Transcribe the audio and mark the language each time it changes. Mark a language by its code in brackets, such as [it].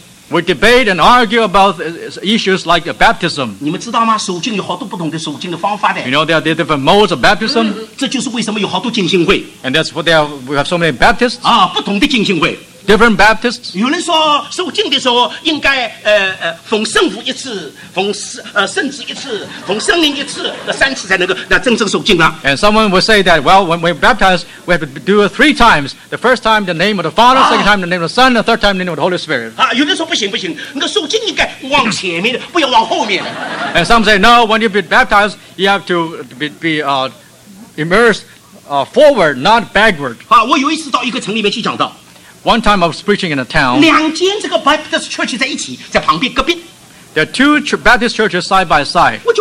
[en] We debate and argue about issues like baptism. You know, there are different modes of baptism. And that's what we have so many Baptists. [zh] 啊，不同的浸信会。 [en] Different Baptists. [zh] 有人说受浸的时候应该奉圣父一次，奉圣灵一次，那三次才能够那真正受浸了。 [en] And someone will say that, well, when we're baptized, we have to do it three times. The first time the name of the Father, second time the name of the Son, the third time the name of the Holy Spirit. [zh] 有人说不行，那受浸应该往前面的，不要往后面的。 [en] And some say, no, when you've been baptized, you have to be immersed forward, not backward. [zh] 啊，我有一次到一个城里面去讲道。 [en] One time I was preaching in a town. There are two Baptist churches side by side.